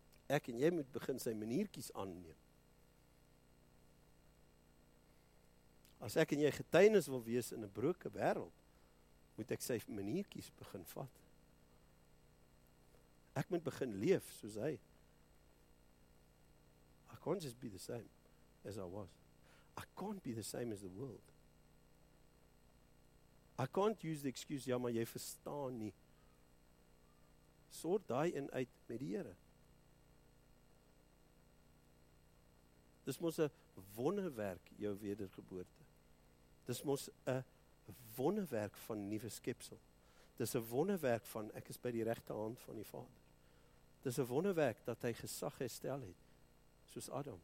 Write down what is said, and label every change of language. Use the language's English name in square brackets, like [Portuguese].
[Afrikaans] Ek en jy moet begin sy maniertjies aanneem. As ek en jy getuienis wil wees in 'n broke wêreld, moet ek sy maniertjies begin vat. Ek moet begin leef soos hy. [English] I can't just be the same as I was. I can't be the same as the world. I can't use the excuse, [Afrikaans] ja, maar jy verstaan nie. Sort daai een uit met die Here. Dis mos 'n wonderwerk, jou wedergeboorte. Dis mos 'n wonderwerk van nuwe skepsel. Dis 'n wonderwerk van, ek is by die regte hand van die Vader. Dis 'n wonderwerk dat hy gesag herstel het, soos Adam.